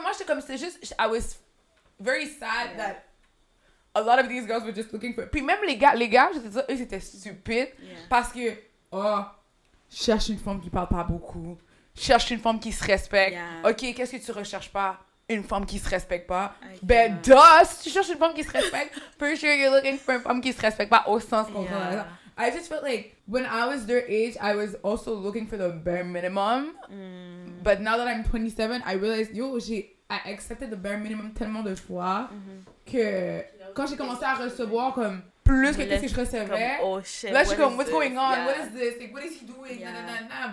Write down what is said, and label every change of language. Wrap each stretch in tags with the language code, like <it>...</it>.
<fr>Moi, j'étais comme, c'est juste,</fr> <en>I was very sad that a lot of these girls were just looking for.</en> <fr>Puis même les gars, je te dis, eux, c'était stupide.</fr> <en>Yeah.</en> <fr>Parce que, oh, cherche une femme qui parle pas beaucoup. Cherche une femme qui se respecte.</fr> <en>Yeah.</en> <fr>Ok, qu'est-ce que tu recherches pas? Une femme qui se respecte pas. Ben, dust! Tu cherches une femme qui se respecte?</fr> <en>For sure, you're looking for a</en> <fr>femme qui se respecte pas au sens qu'on veut.</fr> <en>Yeah. I just felt like, when I was their age, I was also looking for the bare minimum. But now that I'm 27, I realized, yo, I accepted the bare minimum</en> <fr>tellement de fois que quand j'ai commencé à recevoir comme plus que ce que je recevais, là, je suis comme,</fr> <en>what's going on? Yeah. What is this? Like, what is he doing? Yeah. Nah.</en>